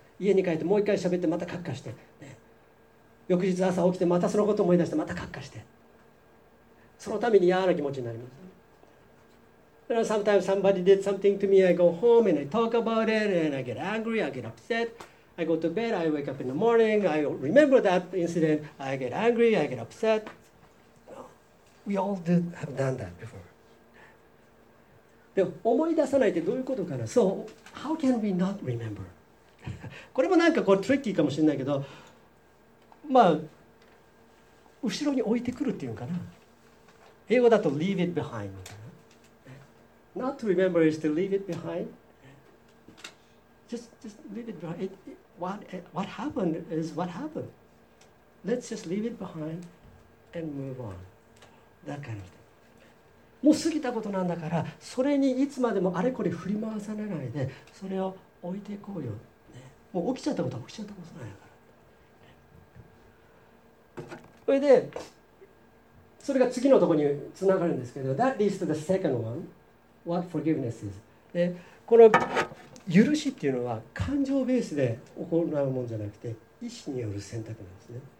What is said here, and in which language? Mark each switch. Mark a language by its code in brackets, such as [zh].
[ja] 家に帰ってもう一回喋ってまたカッカして、ね。翌日朝起きてまたそのことを思い出してまたカッカして。そのために嫌な気持ちになります。 [en] You know, sometimes somebody did something to me, I go home and I talk about it and I get angry, I get upset. I go to bed, I wake up in the morning, I remember that incident, I get angry, I get upset. We all did have done that before. [ja] で、思い出さないってどういうことかな? [en] So, how can we not remember? [ja] これもなんかこうトリッキーかもしれないけど、まあ、後ろに置いてくるっていうのかな。英語だと [en] leave it behind. Not to remember is to leave it behind. Just leave it behind. What happened is what happened. Let's just leave it behind and move on. [ja] だからもう過ぎたことなんだからそれにいつまでもあれこれ振り回されないでそれを置いていこうよ、ね、もう起きちゃったことは起きちゃったことないから、ね、それでそれが次のところにつながるんですけど [en] That leads to the second one What forgiveness is [ja] でこの許しっていうのは感情ベースで行うものじゃなくて意思による選択なんですね